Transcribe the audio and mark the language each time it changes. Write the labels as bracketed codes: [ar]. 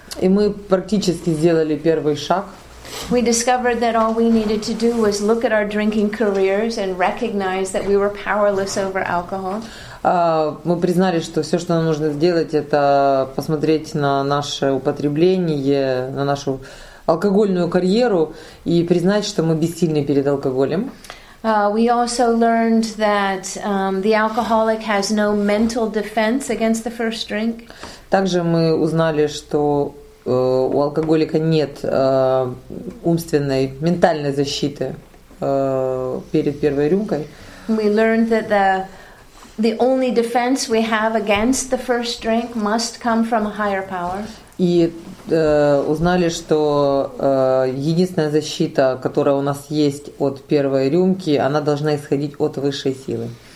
[ru] И мы практически сделали первый шаг. [en] We discovered that all we needed to do was look at our drinking careers and recognize that we were powerless over alcohol. [ru] Мы признали, что все, что нам нужно сделать, это посмотреть на наше употребление, на нашу алкогольную карьеру и признать, что мы бессильны перед алкоголем. [en] We also learned that the alcoholic has no mental defense against the first drink. [ru] Также мы узнали, что у алкоголика нет умственной, ментальной защиты перед первой рюмкой. [en] We learned that the only defense we have against the first drink must come from a higher power. [ru] И узнали, что единственная защита, которая у нас есть от первой рюмки, она должна исходить от высшей силы.